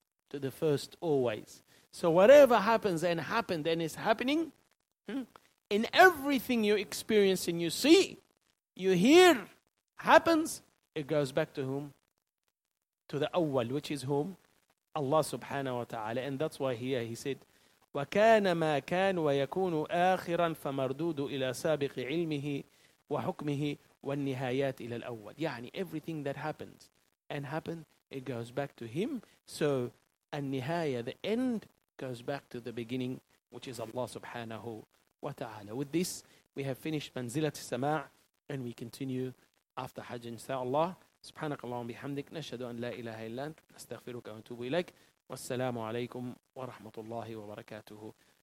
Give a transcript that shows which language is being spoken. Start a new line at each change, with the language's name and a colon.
English: To the first always. So whatever happens and happened and is happening, in everything you experience and you see, you hear, happens, it goes back to whom? To the awwal, which is whom? Allah subhanahu wa ta'ala. And that's why here he said,
Arabic: وَكَانَ مَا كَانُ وَيَكُونُ آخِرًا فَمَرْدُودُ إِلَى سَابِقِ عِلْمِهِ وَحُكْمِهِ وَالنِّهَايَاتِ إِلَى الْأَوَّلِ. يعني
English: everything that happens and happened, it goes back to him. So النهاية, the end, goes back to the beginning, which is Allah subhanahu wa ta'ala. With this, we have finished manzilat sama' and we continue after Hajj insha'Allah.
Arabic: سبحانك اللهم بحمدك نشهد أن لا إله إلا أنت نستغفرك ونتوب إليك والسلام عليكم ورحمة الله وبركاته.